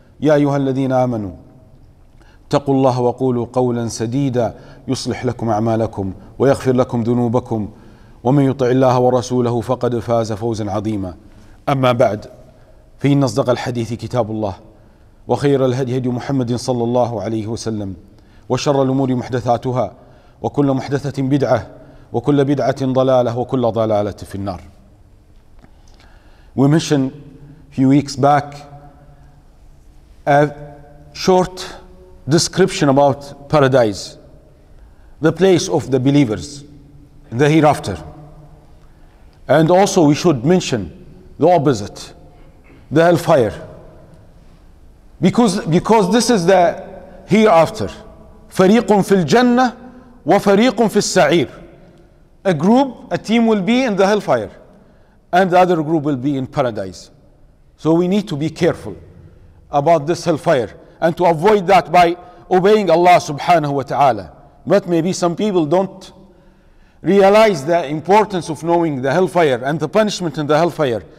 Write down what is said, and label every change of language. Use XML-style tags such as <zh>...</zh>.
<ar>يا أيها الذين آمنوا اتقوا الله وقولوا قولا سديدا يصلح لكم أعمالكم ويغفر لكم ذنوبكم، ومن يطع الله ورسوله فقد فاز فوزا عظيما. أما بعد، فإن أصدق الحديث كتاب الله، وخير الهدي هدي محمد صلى الله عليه وسلم، وشر الأمور محدثاتها، وكل محدثة بدعة، وكل بدعة ضلالة، وكل ضلالة في النار.</ar> <en>We mentioned a few weeks back a short description about paradise, the place of the believers, the hereafter. And also we should mention the opposite, the hellfire. Because this is the hereafter.</en> <ar>فريق في الجنة وفريق في السعير.</ar> <en>A group, a team will be in the hellfire, and the other group will be in paradise. So we need to be careful about this hellfire and to avoid that by obeying Allah subhanahu wa ta'ala. But maybe some people don't realize the importance of knowing the hellfire and the punishment in the hellfire.</en>